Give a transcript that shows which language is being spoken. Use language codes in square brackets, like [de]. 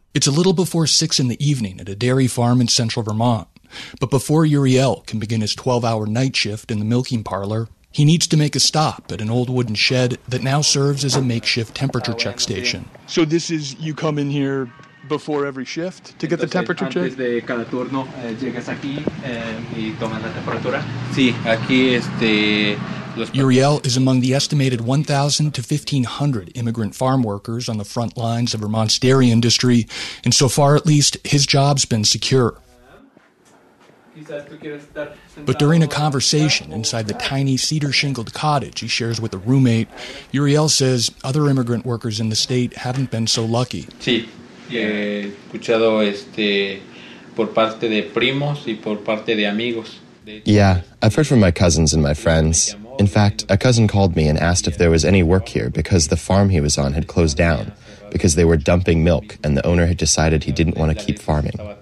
[en] It's a little before 6 in the evening at a dairy farm in central Vermont. But before Uriel can begin his 12-hour night shift in the milking parlor, he needs to make a stop at an old wooden shed that now serves as a makeshift temperature check station. So this is, you come in here before every shift to get the temperature check? [es] Antes de cada turno, llegas aquí, y tomas la temperatura. Sí, aquí este... [en] Uriel is among the estimated 1,000 to 1,500 immigrant farm workers on the front lines of Vermont's dairy industry, and so far at least, his job's been secure. But during a conversation inside the tiny cedar-shingled cottage he shares with a roommate, Uriel says other immigrant workers in the state haven't been so lucky. [es] Sí, he escuchado este por parte de primos y por parte de amigos. [en] Yeah, I've heard from my cousins and my friends. In fact, a cousin called me and asked if there was any work here because the farm he was on had closed down because they were dumping milk and the owner had decided he didn't want to keep farming.